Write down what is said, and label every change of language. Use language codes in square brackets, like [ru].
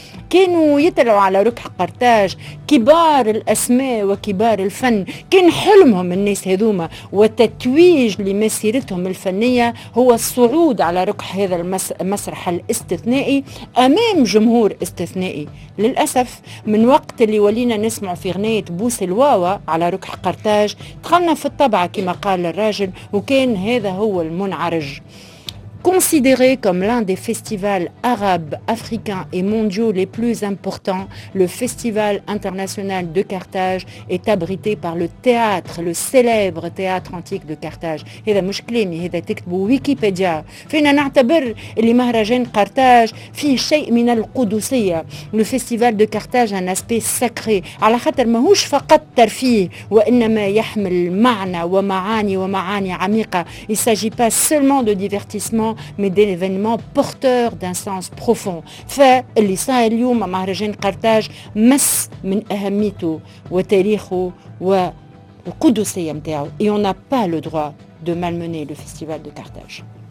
[ar] كانوا يطلعوا على ركح قرطاج كبار الأسماء وكبار الفن، كان حلمهم الناس هذوما، والتتويج لمسيرتهم الفنية هو الصعود على ركح هذا المسرح الاستثنائي أمام جمهور استثنائي. للأسف من وقت اللي ولينا نسمع في غنية بوس الواوا على ركح قرطاج، دخلنا في الطبع كما قال الراجل، وكان هذا هو المنعرج. [fr] Considéré comme l'un des festivals arabes, africains et mondiaux les plus importants, le Festival international de Carthage est abrité par le théâtre, le célèbre théâtre antique de Carthage. [ar] هذا مش كلامي، هذا تكتبوا ويكيبيديا. فينا نعتبر اللي مهرجان قرطاج فيه شيء من القدسية. [fr] Le Festival de Carthage a un aspect sacré. [ar] على خاطر ماهوش فقط ترفيه، وإنما يحمل معنى ومعاني ومعاني عميقة. [fr] Il s'agit pas seulement de divertissement mais des événements porteurs d'un sens profond. [ar] Fait اللي صار اليوم مع مهرجان قرطاج مس من أهميته وتاريخه والقدسية متاعه. [fr] Et on n'a pas le droit de malmener le festival de Carthage.